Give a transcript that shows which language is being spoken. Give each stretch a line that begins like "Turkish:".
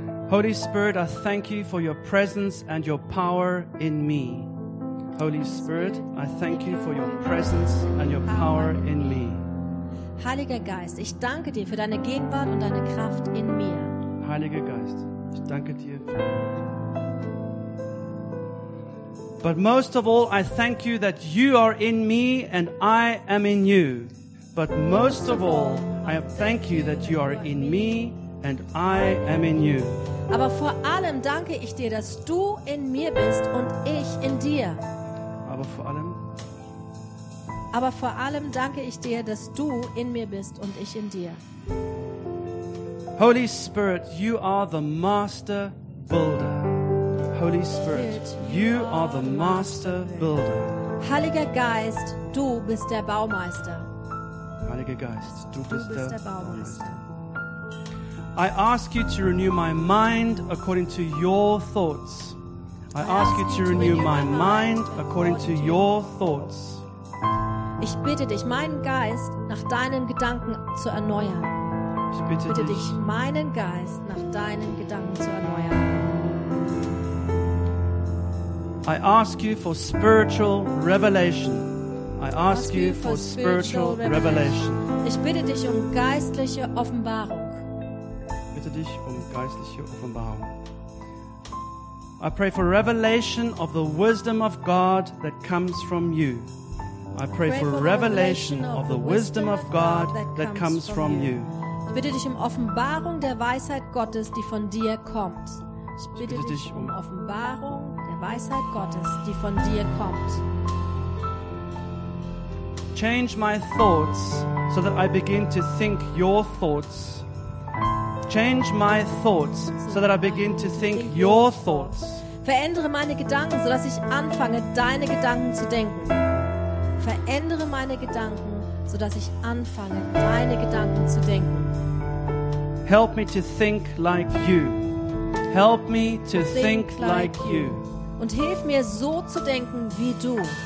English: Holy Spirit, I thank you for your presence and your power in me. Holy Spirit, I thank you for your presence and your power in me.
German: Heiliger Geist, ich danke dir für deine Gegenwart und deine Kraft in mir. Heiliger Geist, ich danke dir.
English: But most of all, I thank you that you are in me and I am in you. But most of all, I thank you that you are in me and I am in you.
German: Aber vor allem danke ich dir, dass du in mir bist und ich in dir. Aber vor allem danke ich dir, dass du in mir bist und ich in dir.
English: Holy Spirit, you are the master builder. Holy Spirit, you are the master builder.
German: Heiliger Geist, du bist der Baumeister. Heiliger Geist, du bist der Baumeister.
English: I ask you to renew my mind according to your thoughts. I ask you to renew my mind according to your thoughts.
German: Ich bitte dich, meinen Geist nach deinen Gedanken zu erneuern. Ich bitte, bitte dich, meinen Geist nach deinen Gedanken zu erneuern.
English: I ask you for spiritual revelation. I ask you for spiritual revelation.
German: Ich bitte dich um geistliche Offenbarung. Bitte dich um geistliche Offenbarung.
English: I pray for revelation of the wisdom of God that comes from you. I pray for revelation of the wisdom of God that comes from you.
German: Ich bitte dich um Offenbarung der Weisheit Gottes, die von dir kommt. Ich bitte dich um Offenbarung der Weisheit Gottes, die von dir kommt.
English: Change my thoughts so that I begin to think your thoughts. Change my thoughts so that I begin to think your thoughts.
German: Verändere meine Gedanken, so dass ich anfange, deine Gedanken zu denken. Verändere meine Gedanken, so dass ich anfange, deine Gedanken zu denken.
English: Help me to think like you. Help me to think like you.
German: Und hilf mir, so zu denken wie du.